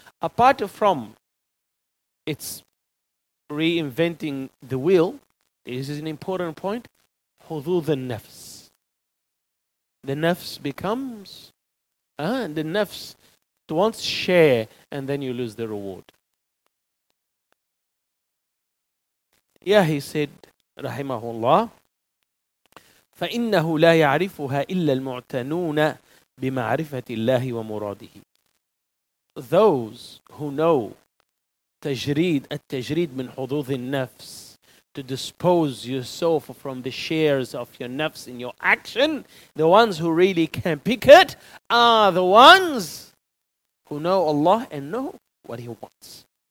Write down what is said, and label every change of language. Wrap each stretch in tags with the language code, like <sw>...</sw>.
<en>Apart from, it's reinventing the wheel, this is an important point, hudud al-nafs. The nafs becomes, and the nafs wants share, and then you lose the reward.</en> <ar>Yeah, he said, rahimahullah, فَإِنَّهُ لَا يَعْرِفُهَا إِلَّا الْمُعْتَنُونَ بِمَعْرِفَةِ اللَّهِ وَمُرَادِهِ.</ar> <en>Those who know تجريد, التجريد من حضوظ النفس, to dispose yourself from the shares of your nafs in your action, the ones who really can pick it are the ones who know Allah and know what He wants.</en>